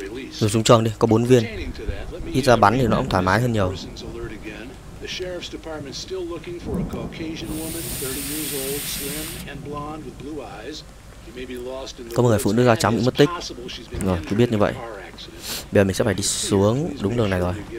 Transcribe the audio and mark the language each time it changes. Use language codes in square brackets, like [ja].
[vi] Dùng súng trường đi, có 4 viên. Ít ra bắn thì nó cũng thoải mái hơn nhiều. [en] The sheriff's department still looking for a Caucasian woman, 30 years old, slim and blonde with blue eyes. She may be lost in the. [vi] Có một người phụ nữ da trắng bị mất tích. Rồi, cứ biết như vậy. Bây giờ mình sẽ phải đi xuống đúng đường này rồi.